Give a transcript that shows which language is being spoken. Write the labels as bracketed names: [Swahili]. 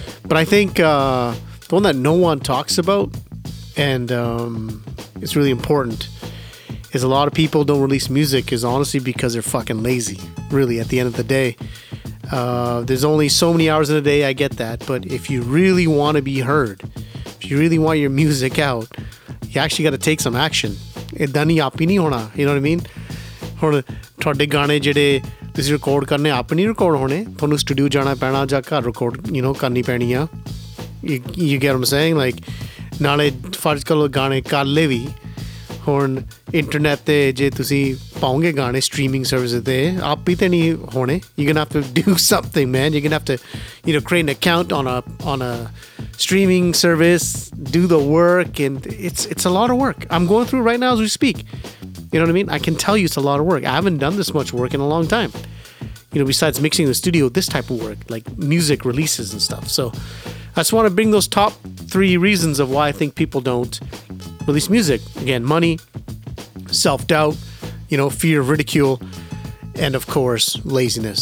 [English] But I think the one that no one talks about, and it's really important, is a lot of people don't release music is honestly because they're fucking lazy, really, at the end of the day. There's only so many hours in a day, I get that. But if you really want to be heard, if you really want your music out, you actually got to take some action. You know what I mean? [Punjabi] ਤੁਹਾਡੇ ਗਾਣੇ ਜਿਹੜੇ ਤੁਸੀਂ record ਕਰਨੇ ਆਪ ਨਹੀਂ record ਹੋਣੇ, ਤੁਹਾਨੂੰ studio ਜਾਣਾ ਪੈਣਾ ਜਾਂ ਘਰ ਰਿਕਾਰਡ ਯੂ ਨੋ ਕਰਨੀ ਪੈਣੀ ਆ, [English] you get what I'm saying, [Punjabi] like ਨਾਲੇ ਫਰਜ਼ ਕਰੋ ਗਾਣੇ ਕਰ ਲਏ ਵੀ, ਹੁਣ ਇੰਟਰਨੈਟ 'ਤੇ ਜੇ ਤੁਸੀਂ ਪਾਓਗੇ ਗਾਣੇ ਸਟ੍ਰੀਮਿੰਗ ਸਰਵਿਸ 'ਤੇ, ਆਪ ਹੀ ਤਾਂ ਨਹੀਂ ਹੋਣੇ, [English] You can have to do something man, you can have to you know create an account on a streaming service, do the work, and it's a lot of work, I'm going through right now as we speak. You know what I mean? I can tell you it's a lot of work. I haven't done this much work in a long time. You know, besides mixing in the studio, this type of work, like music releases and stuff. So I just want to bring those top three reasons of why I think people don't release music. Again, money, self-doubt, you know, fear of ridicule, and of course, laziness.